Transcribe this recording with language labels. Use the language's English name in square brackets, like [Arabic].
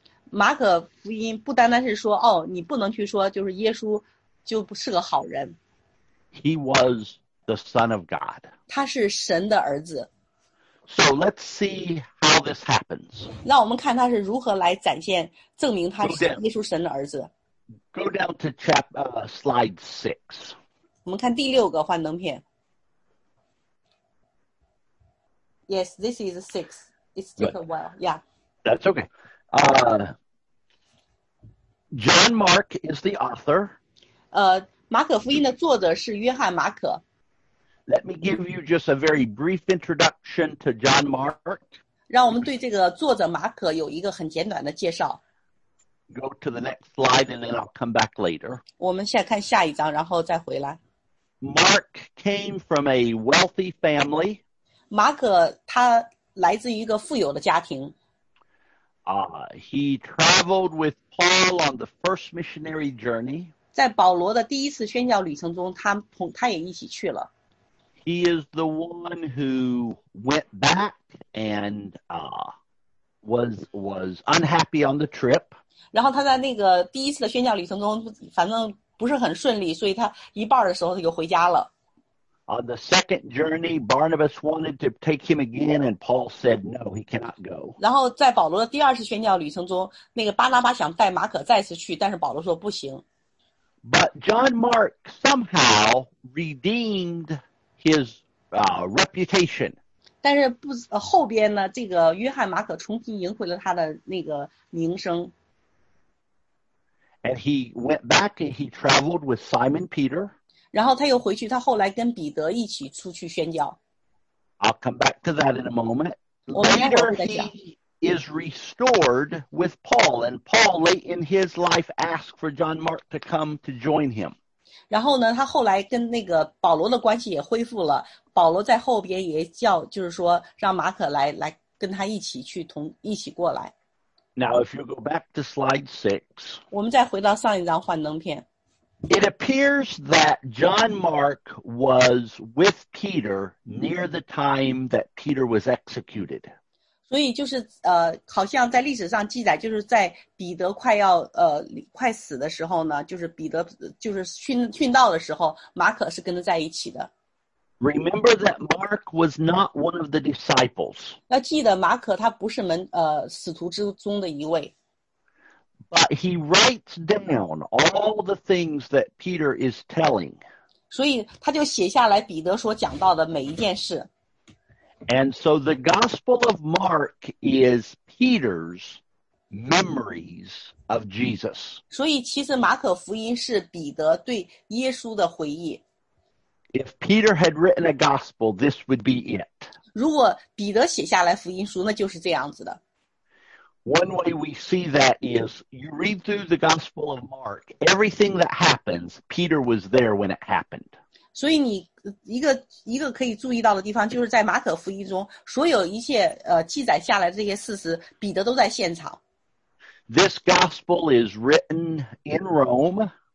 [Chinese] 马可福音不单单是说，哦，你不能去说就是耶稣就不是个好人。 [English] He was the Son of God. [Chinese] 他是神的儿子。 [English] So let's see how this happens. [Chinese] 让我们看他是如何来展现，证明他是耶稣神的儿子。 [English] Go down to slide 6. [Chinese] 我们看第六个幻灯片。 [English] Yes, this is 6. It's taken well, yeah. That's okay. John Mark is the author. [Chinese] 马可福音的作者是约翰马可。 [English] Let me give you just a very brief introduction to John Mark. [Chinese] 让我们对这个作者马可有一个很简短的介绍。 [English] Go to the next slide and then I'll come back later. [Chinese] 我们先看下一章然后再回来。 [English] Mark came from a wealthy family. [Chinese] 马可他来自于一个富有的家庭。 [English] He traveled with Paul on the first missionary journey. [Chinese] 在保罗的第一次宣教旅程中 他也一起去了。 [English] He is the one who went back and was unhappy on the trip. [Chinese] 然后他在那个第一次的宣教旅程中反正不是很顺利，所以他一半的时候他就回家了。 [English] On the second journey, Barnabas wanted to take him again and Paul said, no, he cannot go. [Chinese] 然后在保罗的第二次宣教旅程中，那个巴拿巴想带马可再次去，但是保罗说不行。 [English] But John Mark somehow redeemed his reputation. [Chinese] 但是不后边呢，这个约翰马可重新赢回了他的那个名声。 [English] And he went back and he traveled with Simon Peter. [Chinese] 然后他又回去，他后来跟彼得一起出去宣教。 [English] I'll come back to that in a moment. [Chinese] 我们待会儿再讲。 [English] Is restored with Paul, and Paul, late in his life, asked for John Mark to come to join him. [Chinese] 然后呢，他后来跟那个保罗的关系也恢复了。保罗在后边也叫，就是说让马可来跟他一起去一起过来。 [English] Now, if you go back to slide 6, [Chinese] 我们再回到上一张幻灯片。 [English] It appears that John Mark was with Peter near the time that Peter was executed. [Chinese] 所以就是好像在历史上记载，就是在彼得快要快死的时候呢，就是彼得就是殉道的时候，马可是跟着在一起的。 [English] Remember that Mark was not one of the disciples. [Chinese] 要记得马可他不是使徒之中的一位。 [English] But he writes down all the things that Peter is telling. [Chinese] 所以他就写下来彼得所讲到的每一件事。 [English] And so the Gospel of Mark is Peter's memories of Jesus. [Chinese] 所以其实马可福音是彼得对耶稣的回忆。 [English] If Peter had written a Gospel, this would be it. [Chinese] 如果彼得写下来福音书，那就是这样子的。 [English] One way we see that is you read through the Gospel of Mark, everything that happens, Peter was there when it happened. [Chinese] 所以你一个可以注意到的地方，就是在马可福音中，所有一切记载下来的这些事实，彼得都在现场。 [English] This gospel is written in Rome.